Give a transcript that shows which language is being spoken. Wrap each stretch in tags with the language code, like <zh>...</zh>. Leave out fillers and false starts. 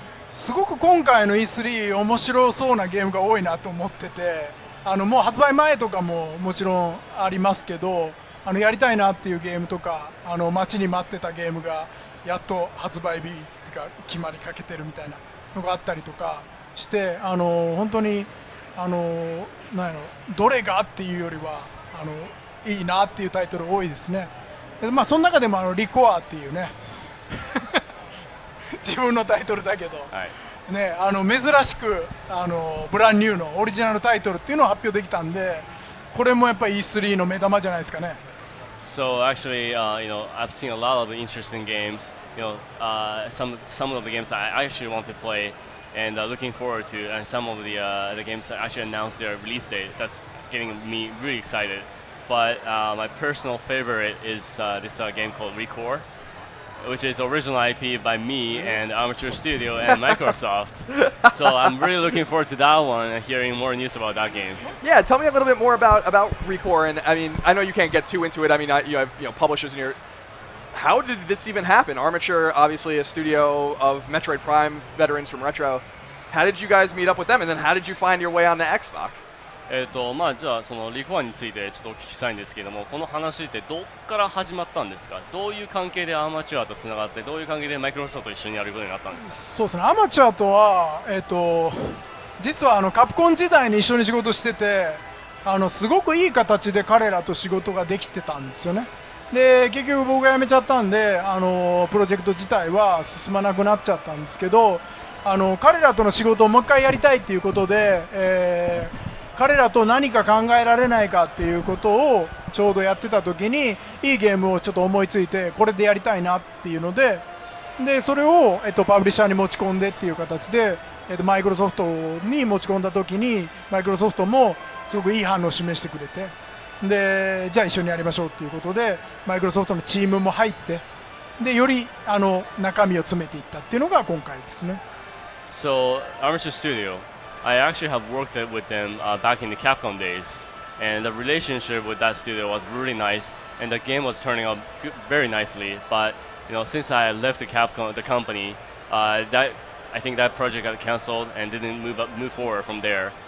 <ja>すごく今回の E3 面白そうなゲームが多いなと思ってて、もう発売前とかももちろんありますけど、やりたいなっていうゲームとか、待ちに待ってたゲームがやっと発売日とか決まりかけてるみたいなのがあったりとかして、本当に何やろ、どれがっていうよりはいいなっていうタイトル多いですね。で、まあ、その中でもリコアっていうね自分のタイトルだけど、はい、ね、珍しくブランニューのオリジナルタイトルっていうのを発表できたんで、これもやっぱり E3 の目玉じゃないですかね。</ja> <en>So actually, I've seen a lot of interesting games, some of the games I actually want to play and looking forward to, and some of the games that actually announced their release date, that's getting me really excited. But my personal favorite is this game called ReCore. Which is original IP by me and Armature Studio and Microsoft. So I'm really looking forward to that one and hearing more news about that game. Yeah, tell me a little bit more about ReCore. And I mean, I know you can't get too into it. I mean, you have publishers in your... How did this even happen? Armature, obviously a studio of Metroid Prime veterans from Retro. How did you guys meet up with them? And then how did you find your way on the Xbox?</en> <ja>まあ、じゃあそのリコアについてちょっとお聞きしたいんですけども、この話ってどっから始まったんですか？どういう関係でアマチュアとつながって、どういう関係でマイクロソフトと一緒にやることになったんですか？そうですね、アマチュアとは、実はカプコン時代に一緒に仕事してて、すごくいい形で彼らと仕事ができてたんですよね。で、結局僕が辞めちゃったんで、プロジェクト自体は進まなくなっちゃったんですけど、彼らとの仕事をもう一回やりたいっていうことで、彼らと何か考えられないかっていうことをちょうどやってた時に、いいゲームをちょっと思いついて、これでやりたいなっていうので、でそれをパブリッシャーに持ち込んでっていう形で、マイクロソフトに持ち込んだ時にマイクロソフトもすごくいい反応を示してくれて、でじゃあ一緒にやりましょうっていうことで、マイクロソフトのチームも入って、でより中身を詰めていったっていうのが今回ですね。</ja> <en>So Armature StudioI actually have worked with them back in the Capcom days, and the relationship with that studio was really nice, and the game was turning out very nicely. But since I left the company, I think that project got canceled and didn't move forward from there.</en>